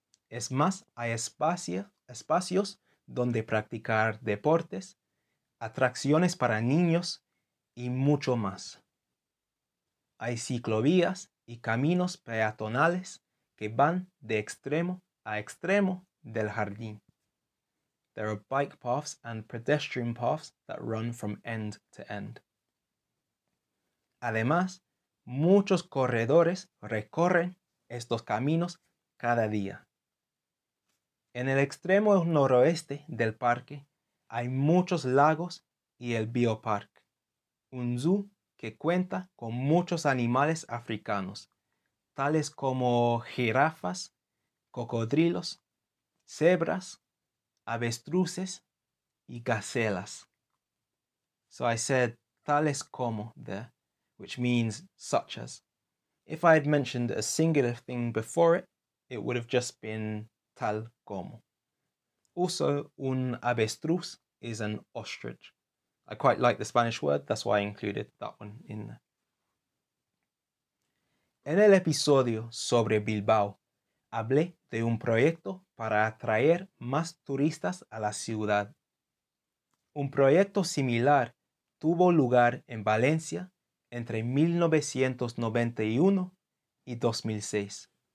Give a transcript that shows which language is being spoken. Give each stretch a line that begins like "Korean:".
Spanish: Es más, hay espacios donde practicar deportes, atracciones para niños y mucho más. Hay ciclovías y caminos peatonales que van de extremo a extremo del jardín.
English: There are bike paths and pedestrian paths that run from end to end.
Spanish: Además, muchos corredores recorren estos caminos cada día. En el extremo noroeste del parque hay muchos lagos y el biopark, un zoo que cuenta con muchos animales africanos, tales como jirafas, cocodrilos, cebras, avestruces y gacelas.
English: So I said tales como there, which means such as. If I had mentioned a singular thing before it, it would have just been tal como. Also, un avestruz is an ostrich. I quite like the Spanish word, that's why I included that one in there.
Spanish: En el episodio sobre Bilbao, hablé de un proyecto para atraer más turistas a la ciudad. Un proyecto similar tuvo lugar en Valencia entre 1991 y 2006.